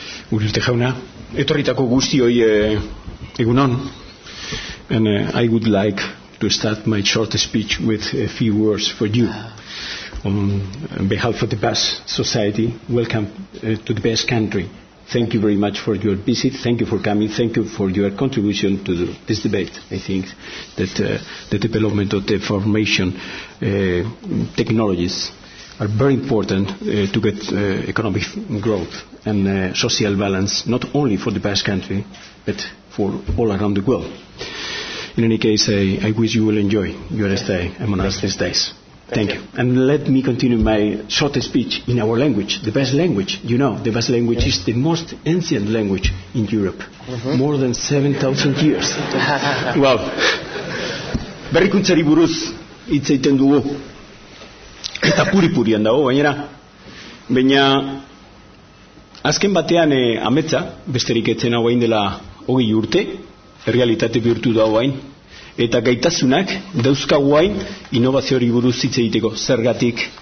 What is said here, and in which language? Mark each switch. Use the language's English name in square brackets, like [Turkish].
[Basque] Uriarte jauna, etorritako guztioi egunon. [English] And I would like to start my short speech with a few words for you. On behalf of the Basque Society, welcome to the Basque Country. Thank you very much for your visit. Thank you for coming. Thank you for your contribution to this debate. I think that the development of the information technologies are very important to get economic growth and social balance, not only for the Basque Country, but for all around the world. In any case, I wish you will enjoy your stay among us these days. Thank you. And let me continue my short speech in our language, the Basque language. You know, the Basque language is the most ancient language in Europe, more than 7,000 years. [Basque] Well, berrikuntzari buruz hitz egiten dugu, eta puri-purian dago, gainera. Baina, azken batean ametza, besterik etzen hau hain dela 20 urte, errealitate bihurtu da hain, eta gaitasunak dauzkagu hain innovazioari buruz hitz egiteko, zergatik